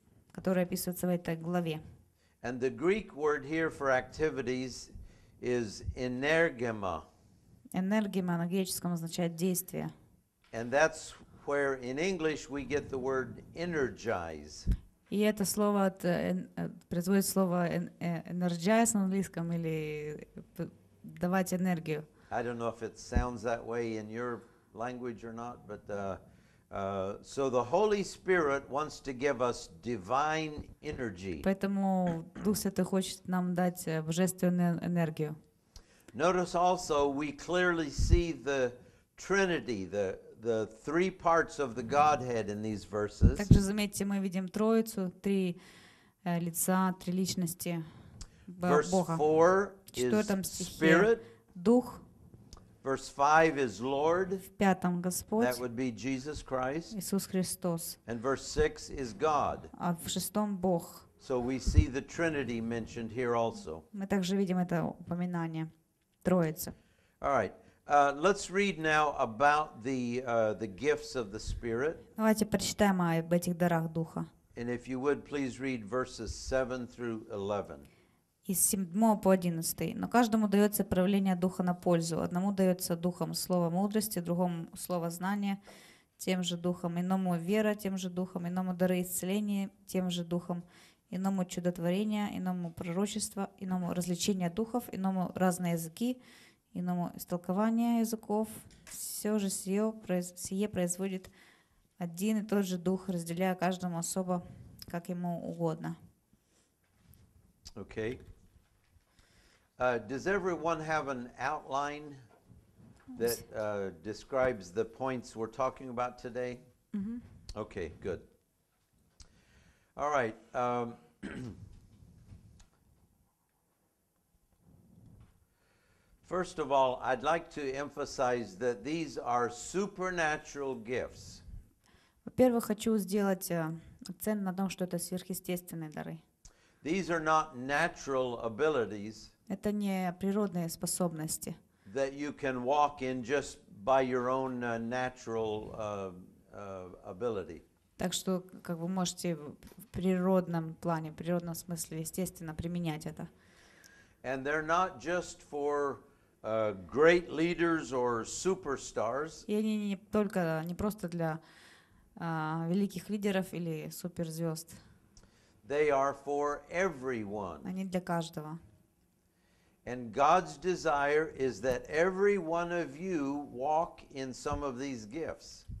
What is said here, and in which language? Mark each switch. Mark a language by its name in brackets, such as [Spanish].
[Russian] Которые описываются в этой главе. [English] And the Greek word here for activities is energema. [Russian] Энергема на греческом означает действие. [English] And that's where in English we get the word energize. [Russian] И это слово производит слово energize на английском или давать энергию. [English] I don't know if it sounds that way in your language or not, but so the Holy Spirit wants to give us divine energy. [Russian] Поэтому Дух Святой хочет нам дать божественную энергию. [English] Notice also we clearly see the Trinity, the three parts of the Godhead in these verses. [Russian] Также заметьте, мы видим Троицу, три лица, три личности Бога. [English] Verse 4 is Spirit. [Russian] Дух. [English] Verse 5 is Lord. [Russian] В пятом Господь. [English] That would be Jesus Christ. [Russian] Иисус Христос. [English] And verse 6 is God. [Russian] А в шестом Бог. [English] So we see the Trinity mentioned here also. [Russian] Мы также видим это упоминание Троицы. [English] All right. Let's read now about the gifts of the Spirit. [Russian] Давайте прочитаем об этих дарах Духа. [English] And if you would please read verses 7 through 11. [Russian] Из 7 по 11. Но каждому дается правление Духа на пользу. Одному дается Духом слово мудрости, другому слово знания, тем же Духом, иному вера, тем же Духом, иному дары исцеления, тем же Духом, иному чудотворение, иному пророчество, иному развлечение духов, иному разные языки, иному истолкование языков. Все же сие производит один и тот же Дух, разделяя каждому особо, как ему угодно. [English] Okay. Does everyone have an outline that describes the points we're talking about today? Mm-hmm. Okay, good. All right. First of all, I'd like to emphasize that these are supernatural gifts. [Russian] Во-первых, хочу сделать акцент на том, что это сверхъестественные дары. [English] These are not natural abilities. [Russian] Это не природные способности. [English] That you can walk in just by your own natural ability. [Russian] Так что, как вы можете в природном плане, в природном смысле, естественно, применять это. [English] And they're not just for great leaders or superstars. [Russian] И они не только, не просто для великих лидеров или суперзвезд. [English] They are for everyone. [Russian] Они для каждого. [English] And God's desire is that every one of you walk in some of these gifts.